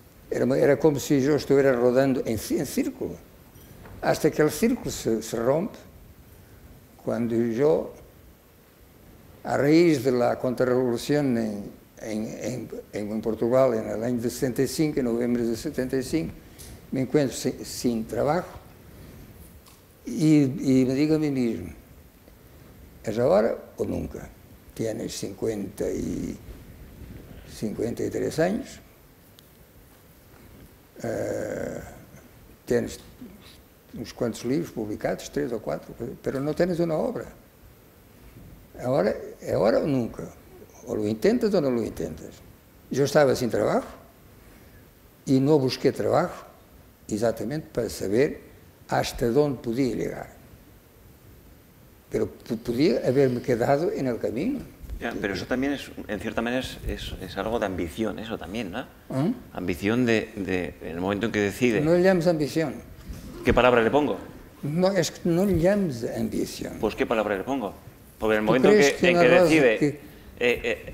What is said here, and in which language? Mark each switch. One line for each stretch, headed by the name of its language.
Spanish: Era como si yo estuviera rodando en círculo. Hasta que el círculo se rompe, cuando yo, a raíz de la contrarrevolución en Portugal, en el año de 75, en noviembre de 75, me encuentro sin trabajo. Y me digo a mí mismo, ¿es ahora o nunca? Tienes 53 años, tienes
Portuguese: uns quantos livros publicados, 3 ou 4,
Spanish: pero
Portuguese: não tens uma obra. Agora, é agora ou nunca? Ou
Spanish: lo intentas
Portuguese: ou não lo intentas? Eu estava sem trabalho e não busquei trabalho exatamente para saber
Spanish: hasta
Portuguese: onde podia chegar.
Spanish: Pero
Portuguese: podia haver-me
Spanish: quedado en el
Portuguese: caminho.
Spanish: Ya, pero eso también es, en cierta manera, es algo de ambición, eso también, ¿no? ¿Eh? Ambición de en el momento en que decide. No le llames ambición. ¿Qué palabra le pongo? No, es que no le llames ambición. Pues, ¿qué palabra le pongo? Porque en el momento en que decide que...